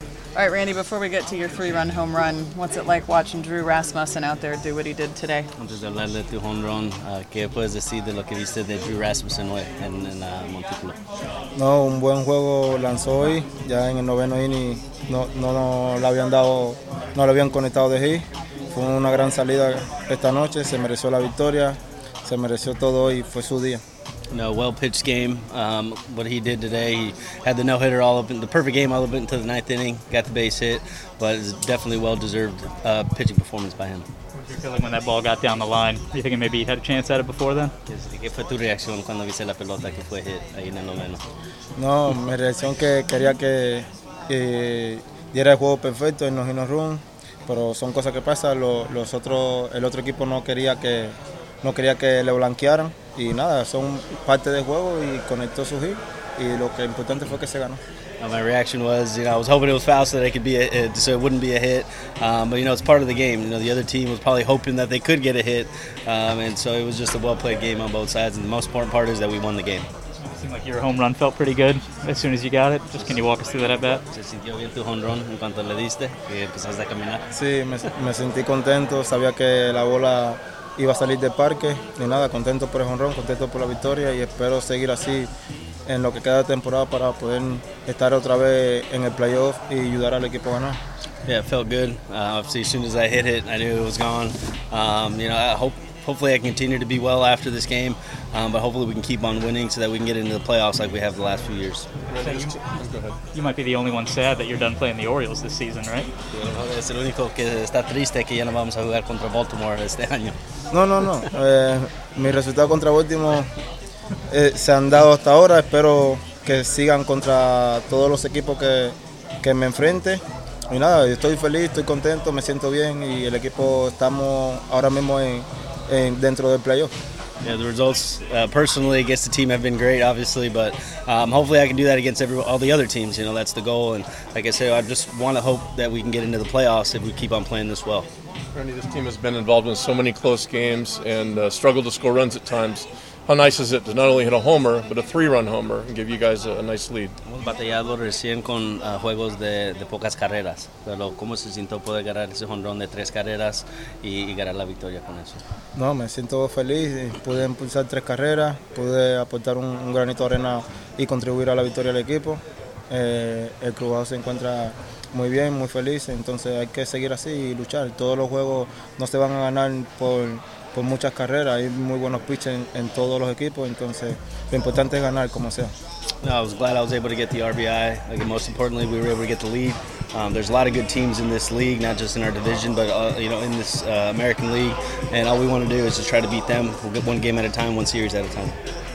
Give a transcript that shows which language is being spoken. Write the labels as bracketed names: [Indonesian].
[English] All right, Randy, before we get to your three-run home run, what's it like watching Drew Rasmussen out there do what he did today? [Spanish] Antes de hablarle tu home run, ¿qué puedes decir de lo que viste de Drew Rasmussen hoy en Montículo? No, un buen juego lanzó hoy, ya en el noveno inning, no le habían conectado de hit. Fue una gran salida esta noche, se mereció la victoria, se mereció todo hoy, fue su día. [English] No, well-pitched game. What he did today, he had the no-hitter all up in the perfect game all up until the ninth inning, got the base hit, but it's definitely well-deserved pitching performance by him. What was your feeling when that ball got down the line? You thinking maybe he had a chance at it before then? [Spanish] ¿Qué fue tu reacción cuando viste la pelota que fue hit ahí en el noveno? No, mi reacción que quería que diera el juego perfecto en los hino run, pero son cosas que pasan. El otro equipo no quería que le blanquearan. Y nada, son parte del juego y conectó su hit. Y lo que importante fue que se ganó. [English] My reaction was, you know, I was hoping it was foul so that it could be so it wouldn't be a hit. But you know, it's part of the game. You know, the other team was probably hoping that they could get a hit. And so it was just a well-played game on both sides. And the most important part is that we won the game. Seemed like your home run felt pretty good as soon as you got it. Just can you walk us through that at bat? [Spanish] ¿Se sintió bien tu home run en cuanto le diste y empezaste a caminar? Sí, me sentí contento. Sabía que la bola iba a salir del parque, ni nada, contento por el home run, contento por la victoria y espero seguir así en lo que queda de temporada para poder estar otra vez en el playoff y ayudar al equipo a ganar. [English] Yeah, it felt good. Obviously, as soon as I hit it, I knew it was gone. You know, hopefully I continue to be well after this game, but hopefully we can keep on winning so that we can get into the playoffs like we have the last few years. You might be the only one sad that you're done playing the Orioles this season, right? [Spanish] Es el único que está triste que ya no vamos a jugar contra Baltimore este año. No. Mi resultado contra Baltimore se han dado hasta ahora. Espero que sigan contra todos los equipos que me enfrente. Y nada, estoy feliz, estoy contento, me siento bien y el equipo estamos ahora mismo en dentro del playoff. [English] Yeah, the results personally against the team have been great, obviously, but hopefully I can do that against all the other teams. You know, that's the goal, and like I say, I just want to hope that we can get into the playoffs if we keep on playing this well. Randy, this team has been involved in so many close games and struggled to score runs at times. How nice is it to not only hit a homer, but a three-run homer and give you guys a nice lead? [Spanish] Hemos batallado recién con juegos de pocas carreras, pero ¿cómo se sintió poder ganar ese home run de tres carreras y ganar la victoria con eso? No, me siento feliz. Pude impulsar tres carreras, pude aportar un granito de arena y contribuir a la victoria del equipo. El Cruzado se encuentra muy bien, muy feliz, entonces hay que seguir así y luchar. Todos los juegos no se van a ganar por muchas carreras, hay muy buenos pitchers en todos los equipos, entonces lo importante es ganar como sea. [English] No, I was glad I was able to get the RBI. Like, most importantly, we were able to get the lead. There's a lot of good teams in this league, not just in our division, but you know, in this American League. And all we want to do is just try to beat them one game at a time, one series at a time.